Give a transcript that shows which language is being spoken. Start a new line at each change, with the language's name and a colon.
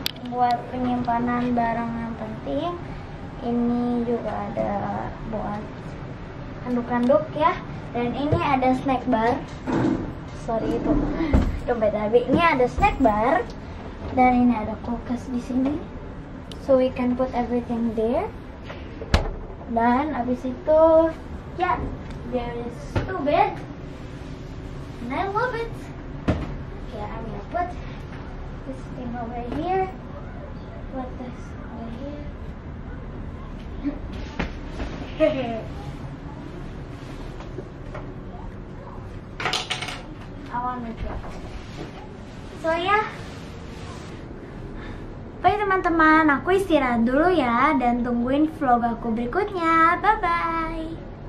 Indonesian: Buat penyimpanan barang yang penting. Ini juga ada buat handuk-handuk ya. Dan ini ada snack bar. Sorry itu dompet Abi. Ini ada snack bar. Dan ini ada kulkas di sini.
English: So we can put everything there.
Indonesian: Dan abis itu, ya,
English: yeah, there is two bed. And I love it. Okay, I'm gonna put this thing over here. Put this over here. I want to drop. So yeah,
Indonesian: Oke teman-teman, aku istirahat dulu ya dan tungguin vlog aku berikutnya. Bye-bye.